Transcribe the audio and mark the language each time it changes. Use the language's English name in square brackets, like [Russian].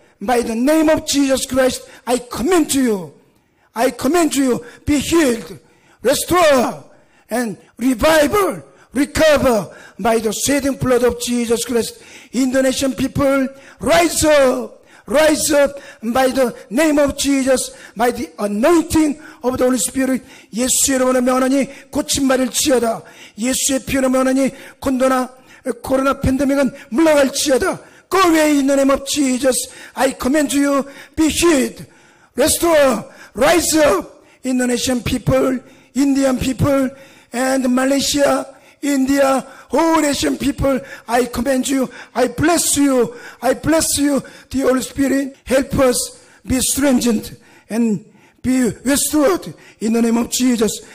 [English] By the name of Jesus Christ, I command to you. I command to you, be healed, restore, and revival, recover by the shedding blood of Jesus Christ. Indonesian people, rise up by the name of Jesus, by the anointing of the Holy Spirit. [Korean] 예수의 이름으로 명하노니 고친 말을 지어다. 예수의 피로 명하노니 콘도나 코로나 팬데믹은 물러갈 지어다. [English] Go away in the name of Jesus. I command you, be healed, restore, rise up. Indonesian people, Indian people, and Malaysia, India, all Asian people, I command you, I bless you, I bless you, the Holy Spirit, help us be strengthened and be restored in the name of Jesus.